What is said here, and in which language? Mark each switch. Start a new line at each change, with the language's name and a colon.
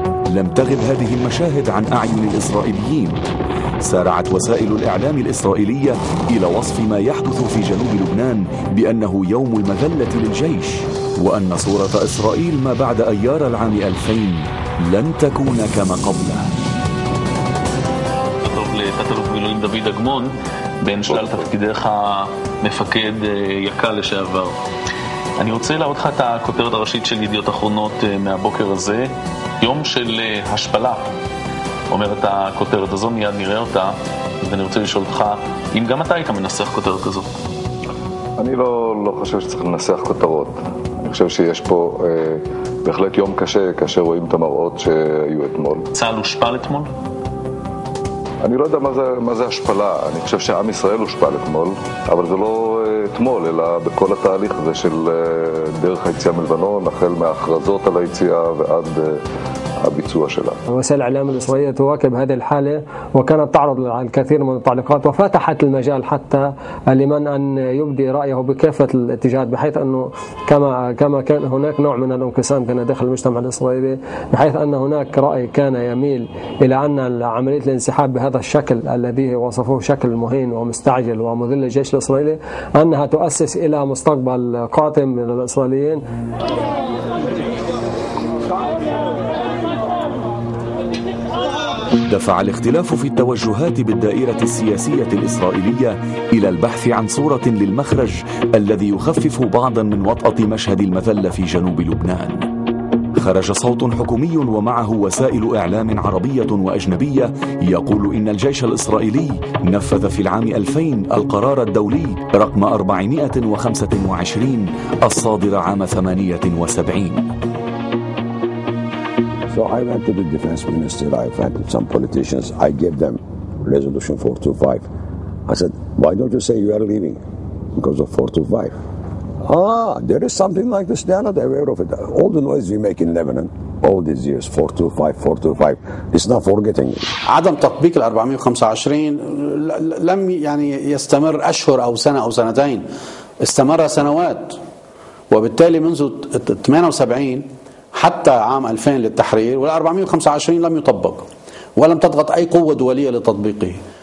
Arabic: لم تغب هذه المشاهد عن أعين الإسرائيليين. سارعت وسائل الإعلام الإسرائيلية إلى وصف ما يحدث في جنوب لبنان بأنه يوم المذلة للجيش، وأن صورة إسرائيل ما بعد أيار العام 2000 لن تكون كما قبلها.
Hebrew: בין שלל תפקידיך מפקד יקל לשעבר, אני רוצה להראות לך את הכותרת הראשית של ידיעות אחרונות מהבוקר הזה. יום של השפלה, אומרת הכותרת הזו, מיד נראה אותה. ואני רוצה לשאול אותך אם גם אתה היית מנסח כותרת כזו. אני לא חושב שצריך לנסח כותרות. אני חושב שיש פה בהחלט יום קשה כאשר רואים את המראות שהיו אתמול. צהל הושפל אתמול? אני לא יודע מה זה השפלה. אני חושב שעם ישראל הושפל אתמול, אבל זה לא אתמול, אלא בכל התהליך הזה של דרך היציאה מלבנון, החל מההכרזות על היציאה ועד הביצוע שלה.
Arabic: وسائل الإعلام الإسرائيلية تواكب هذه الحالة وكانت تعرض الكثير من التعليقات وفتحت المجال حتى لمن أن يبدي رأيه بكافة الاتجاهات، بحيث أنه كما كان هناك نوع من الانقسام كان داخل المجتمع الإسرائيلي، بحيث أن هناك رأي كان يميل إلى أن عملية الانسحاب بهذا الشكل الذي وصفوه شكل مهين ومستعجل ومذل للجيش الإسرائيلي أنها تؤسس إلى مستقبل قاتم من الإسرائيليين. دفع الاختلاف في التوجهات بالدائرة السياسية الإسرائيلية إلى البحث عن صورة للمخرج الذي يخفف بعضا من وطأة مشهد المذلة في جنوب لبنان. خرج صوت حكومي ومعه وسائل إعلام عربية وأجنبية يقول إن الجيش الإسرائيلي نفذ في العام 2000 القرار الدولي رقم 425 الصادر عام 78.
English: So I went to the defense minister, I went to some politicians, I gave them resolution 425. I said, why don't you say you are leaving because of 425? There is something like this, they are not aware of it. All the noise we make in Lebanon, all these years, 425, it's not forgetting it.
Arabic: عدم تطبيق ال 425 لم يعني يستمر أشهر أو سنة أو سنتين، استمر سنوات. وبالتالي منذ 78 حتى عام 2000 للتحرير، وال 425 لم يطبق ولم تضغط أي قوة دولية لتطبيقه.